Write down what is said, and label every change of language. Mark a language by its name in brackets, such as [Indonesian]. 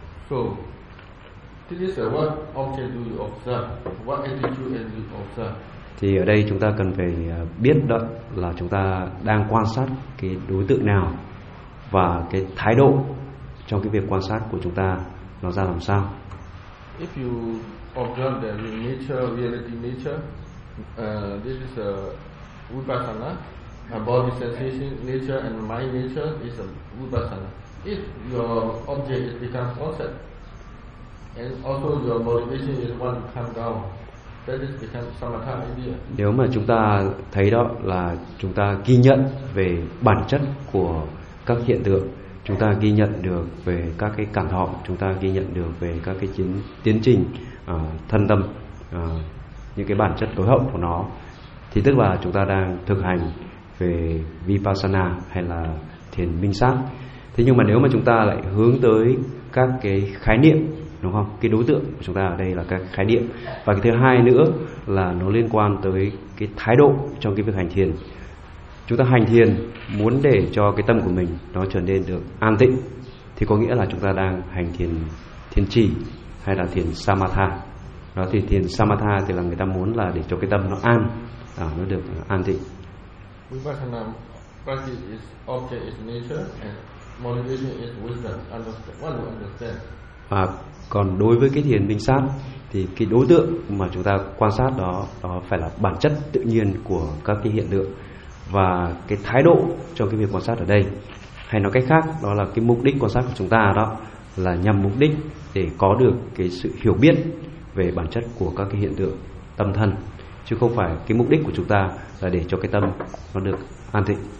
[English] So this is what object do you observe? What attitude do you observe? [Vietnamese] Thì ở đây chúng ta cần phải biết đó là chúng ta đang quan sát cái đối tượng nào và cái thái độ trong cái việc quan sát của chúng ta nó ra làm sao. [English] If you observe the nature, reality nature, this is a vipassana, a body sensation nature and mind nature is a vipassana. If your object becomes concept and also your motivation is one to calm down, that is become samatha idea. [Vietnamese] Nếu mà chúng ta thấy đó là chúng ta ghi nhận về bản chất của các hiện tượng, chúng ta ghi nhận được về các cái cảm thọ, chúng ta ghi nhận được về các cái tiến trình thân tâm, những cái bản chất tối hậu của nó, thì tức là chúng ta đang thực hành về vipassana hay là thiền minh sát. Thế nhưng mà nếu mà chúng ta lại hướng tới các cái khái niệm, đúng không, cái đối tượng của chúng ta ở đây là các khái niệm, và cái thứ hai nữa là nó liên quan tới cái thái độ trong cái việc hành thiền. Chúng ta hành thiền muốn để cho cái tâm của mình nó trở nên được an tịnh, thì có nghĩa là chúng ta đang hành thiền trì hay là thiền samatha. Đó thì thiền samatha thì là người ta muốn là để cho cái tâm nó an, nó được an tịnh. [English] Vipassana practice is object is nature and motivation is wisdom. Understand, what do understand? [Vietnamese] Và còn đối với cái thiền minh sát thì cái đối tượng mà chúng ta quan sát đó, đó phải là bản chất tự nhiên của các cái hiện tượng. Và cái thái độ trong cái việc quan sát ở đây, hay nói cách khác, đó là cái mục đích quan sát của chúng ta đó là nhằm mục đích để có được cái sự hiểu biết về bản chất của các cái hiện tượng tâm thân, chứ không phải cái mục đích của chúng ta là để cho cái tâm nó được an tịnh.